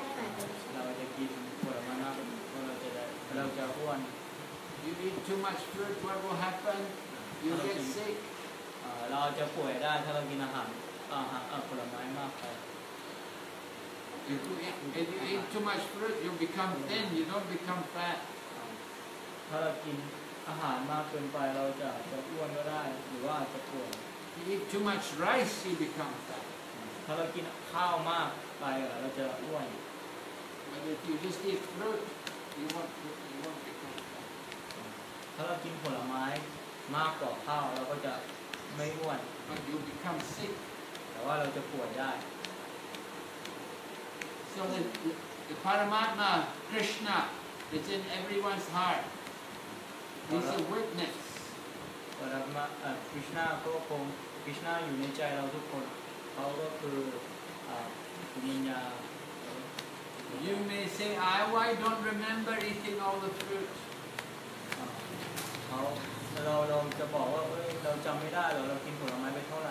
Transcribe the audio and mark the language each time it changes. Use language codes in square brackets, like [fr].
[th] เราจะกินผลไม้มากเราจะอ้วน [en] You eat too much fruit. What will happen? You get sick. [th] เราจะป่วยได้ถ้าเรากินอาหารผลไม้มากไป [en] If you eat too much fruit, you become thin. You don't become fat. [th] ถ้าเรากินอาหารมากเกินไปเราจะอ้วนก็ได้หรือว่าจะป่วย [en] You eat too much rice, you become fat. [th] ถ้าเรากินข้าวมากไปเราจะอ้วน [en] But if you just eat fruit. You want become [th] ถ้าเรากินผลไม้มากกว่าข้าวเราก็จะไม่อ้วน [en] But you become sick [th] แต่ว่าเราจะป่วยได้ [en] So the Paramatma Krishna is in everyone's heart He's a witness [th] Paramatma Krishna ก็คง Krishna อยู่ในใจเราทุกคนเขาก็คือวิญญาณ [en] You may say, I don't remember eating all the fruit. How? [th] เราลองจะบอกว่าเราจำไม่ได้หรอเรากินผลไม้ไปเท่าไหร